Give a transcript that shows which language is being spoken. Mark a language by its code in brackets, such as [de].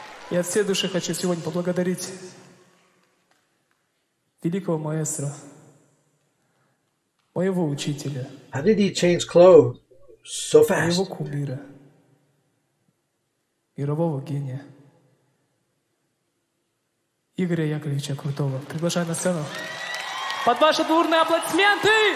[ru] Я от всей души хочу сегодня поблагодарить великого маэстро, моего учителя. [en] How did he change clothes so fast? [ru] Моего кумира, мирового гения, Игоря Яковлевича Крутого. Приглашаю на сцену под ваши дурные аплодисменты!